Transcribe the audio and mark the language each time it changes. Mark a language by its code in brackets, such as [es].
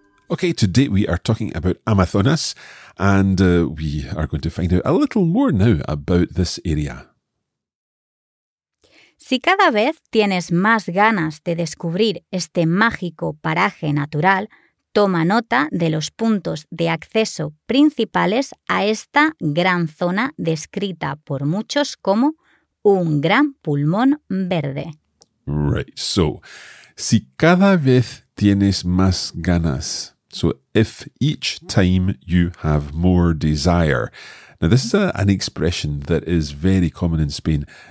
[en] Okay, today we are talking about Amazonas, and we are going to find out a little more now about this area. [es] Si cada vez tienes más ganas de descubrir este mágico paraje natural, toma nota de los puntos de acceso principales a esta gran zona descrita por muchos como un gran pulmón verde. Right, so, si cada vez tienes más ganas... [en] So, if each time you have more desire. Now, this is an expression that is very common in Spain.